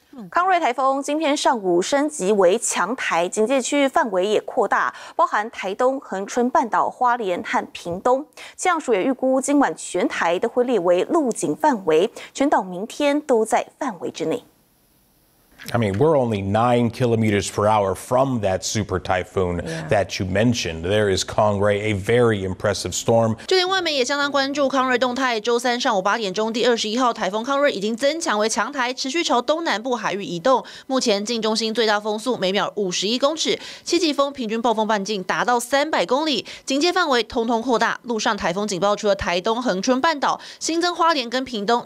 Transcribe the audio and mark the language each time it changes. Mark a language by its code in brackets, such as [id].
[zh] 康瑞台风今天上午升级为强台，警戒区域范围也扩大，包含台东、恒春半岛、花莲和屏东。气象署也预估今晚全台都会列为陆警范围，全岛明天都在范围之内。 [en] I mean, we're only 9 kilometers per hour from that super typhoon that you mentioned. There is Kongrei, a very impressive storm. [zh] 就连外媒也相当关注康瑞动态。周三上午8点，第21号台风康瑞已经增强为强台，持续朝东南部海域移动。目前近中心最大风速每秒51公尺，七级风平均暴风半径达到300公里，警戒范围通通扩大。陆上台风警报除了台东、恒春半岛，新增花莲跟屏东。